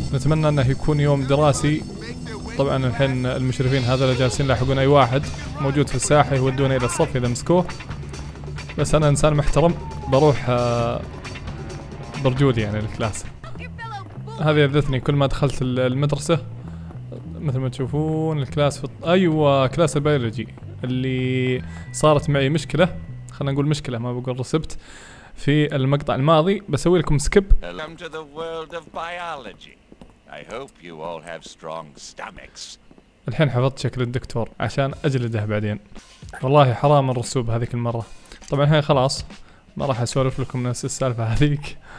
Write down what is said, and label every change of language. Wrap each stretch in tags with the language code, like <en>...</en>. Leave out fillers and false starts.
<ar>نتمنى أنه يكون يوم دراسي. طبعا الحين المشرفين هذا اللي جالسين لاحقون أي واحد موجود في الساحة يودونا إلى الصف إذا مسكوه، بس أنا إنسان محترم بروح برجولي يعني الكلاس. هذه أذتني كل ما دخلت المدرسة مثل ما تشوفون الكلاس في أيوة كلاس البيولوجي اللي صارت معي مشكلة، خلنا نقول مشكلة ما بقول رسبت في المقطع الماضي، بسوي لكم سكيب.</ar> <en>Welcome to the world of biology. I hope you all have strong stomachs.</en> <ar>الحين حفظت شكل الدكتور عشان أجلده بعدين، والله حرام الرسوب هذيك المرة. طبعا هاي خلاص ما راح أسولف لكم نفس السالفة هذيك.</ar>